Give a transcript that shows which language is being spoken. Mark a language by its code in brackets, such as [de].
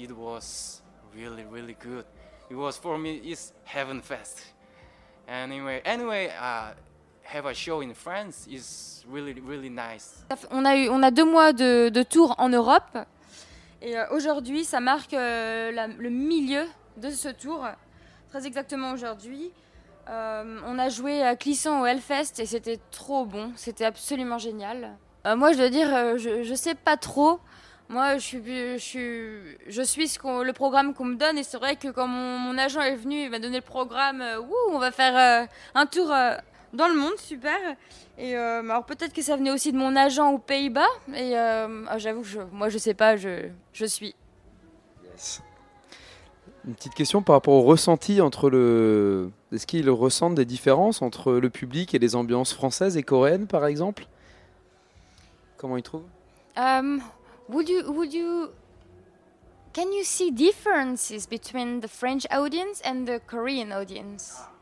[en] It was really, really good. It was, for me, it's heaven fest. Anyway, have a show in France is really, really nice. [fr] On a deux mois de tour en Europe, et aujourd'hui ça marque le milieu de ce tour, très exactement aujourd'hui. On a joué à Clisson au Hellfest et c'était trop bon, c'était absolument génial. Moi je dois dire, je sais pas trop. Moi je suis le programme qu'on me donne, et c'est vrai que quand mon agent est venu, il m'a donné le programme, on va faire un tour dans le monde, super. Et alors peut-être que ça venait aussi de mon agent aux Pays-Bas, et j'avoue, je sais pas, je suis. [en] Yes. [fr] Une petite question par rapport au ressenti entre le... Est-ce qu'ils ressentent des différences entre le public et les ambiances françaises et coréennes, par exemple ? Comment ils trouvent ? [en] Would you can you see differences between the French audience and the Korean audience?